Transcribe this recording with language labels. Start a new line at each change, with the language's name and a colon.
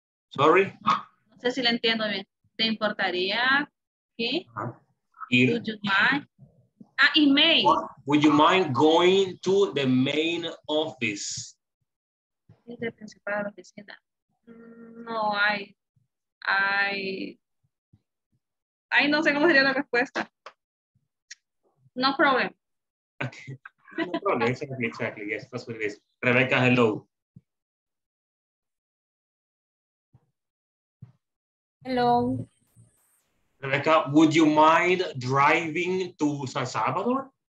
English: Sorry?
Spanish: No sé si le entiendo bien. ¿Te importaría qué? Uh-huh.
English: Would you mind? Email. Would you mind going to the main office? The principal oficina.
Spanish: No, I no sé cómo sería la respuesta.
English: No problem. Okay. No problem, exactly, yes, that's what it is. Rebecca, hello. Hello. Rebecca, would you mind driving to San Salvador?